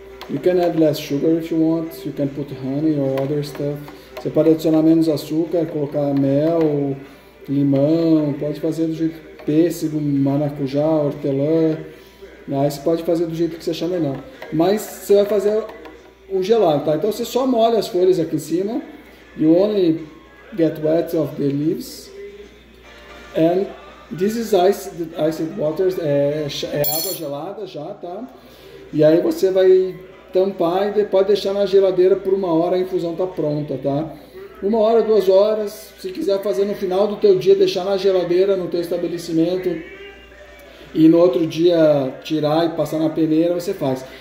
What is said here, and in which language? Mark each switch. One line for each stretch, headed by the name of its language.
English: You can add less sugar if you want, you can put honey or other stuff.
Portuguese: Você pode adicionar menos açúcar, colocar mel, limão, pode fazer do jeito pêssego, maracujá, hortelã. Aí você pode fazer do jeito que você achar melhor. Mas você vai fazer o gelado, tá? Então você só molha as folhas aqui em cima.
English: You only get wet of the leaves. And this is iced water,
Portuguese: é água gelada já, tá? E aí você vai tampar e pode deixar na geladeira por 1 hora, a infusão tá pronta, tá? 1 hora, 2 horas, se quiser fazer no final do teu dia, deixar na geladeira no teu estabelecimento e no outro dia tirar e passar na peneira, você faz.